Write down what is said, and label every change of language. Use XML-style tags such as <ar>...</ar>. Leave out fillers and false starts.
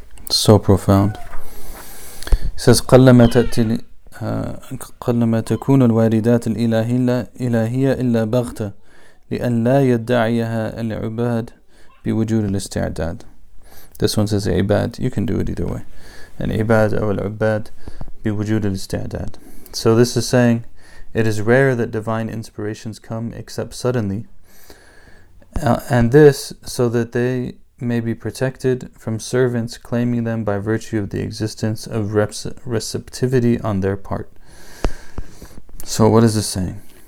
<en>So profound. It says</en> <ar>قَلَّمَا قَلَّمَا تَكُونُ الْوَارِدَاتِ الْإِلَهِيَّ إِلَّا بَغْتَ لِأَنْ لَا يَدَّعِيَهَا الْعُبَادِ بِوُجُودِ الْإِسْتِعْدَادِ.</ar> <en>This one says عِبَاد. You can do it either way.</en> <ar>And عِبَاد أو العُبَاد بِوُجُودِ الْإِسْتِعْدَادِ.</ar> <en>So this is saying, it is rare that divine inspirations come except suddenly. And this, so that they may be protected from servants claiming them by virtue of the existence of receptivity on their part. So what is this saying?</en>